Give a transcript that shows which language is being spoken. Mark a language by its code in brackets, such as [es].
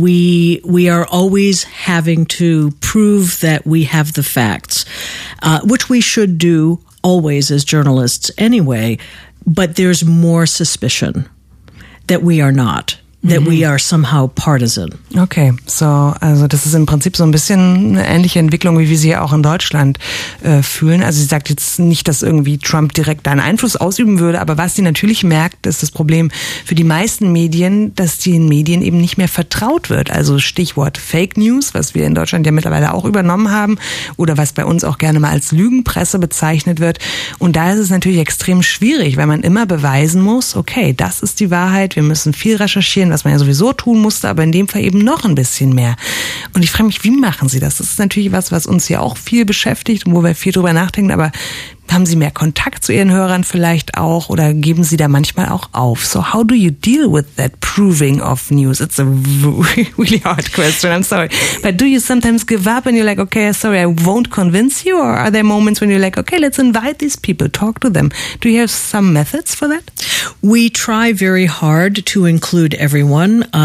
[en] We are always having to prove that we have the facts, which we should do always as journalists anyway. But there's more suspicion that we are not, that we are somehow partisan. [de] Okay, so also das ist im Prinzip so ein bisschen eine ähnliche Entwicklung, wie wir sie ja auch in Deutschland fühlen. Also sie sagt jetzt nicht, dass irgendwie Trump direkt da einen Einfluss ausüben würde, aber was sie natürlich merkt, ist das Problem für die meisten Medien, dass den Medien eben nicht mehr vertraut wird. Also Stichwort Fake News, was wir in Deutschland ja mittlerweile auch übernommen haben oder was bei uns auch gerne mal als Lügenpresse bezeichnet wird. Und da ist es natürlich extrem schwierig, weil man immer beweisen muss, okay, das ist die Wahrheit, wir müssen viel recherchieren, was man ja sowieso tun musste, aber in dem Fall eben noch ein bisschen mehr. Und ich frage mich, wie machen Sie das? Das ist natürlich was, was uns ja auch viel beschäftigt und wo wir viel drüber nachdenken, aber haben Sie mehr Kontakt zu Ihren Hörern vielleicht auch oder geben Sie da manchmal auch auf? [en] So how do you deal with that proving of news? It's a really hard question, I'm sorry. But do you sometimes give up and you're like, okay, sorry, I won't convince you? Or are there moments when you're like, okay, let's invite these people, talk to them? Do you have some methods for that? We try very hard to include everyone.